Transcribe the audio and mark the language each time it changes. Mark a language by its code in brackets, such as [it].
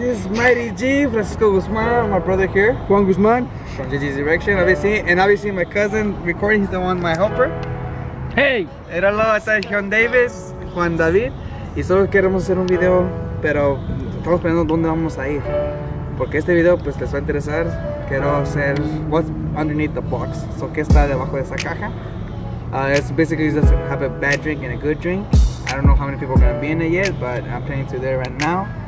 [en] This is Mighty G, Francisco Guzman, my brother here, Juan Guzman, from JG's Direction. Obviously, my cousin recording, he's the one, my helper. Hey! [es] Era lo, está John Davis, Juan David, y solo queremos hacer un video, pero estamos pensando dónde vamos a ir. Porque este video, pues, les va a interesar. Quiero hacer [en] what's underneath the box. [es] So, ¿qué está debajo de esa caja? [en] It's basically just have a bad drink and a good drink. I don't know how many people are gonna be in it yet, but I'm planning to do it right now.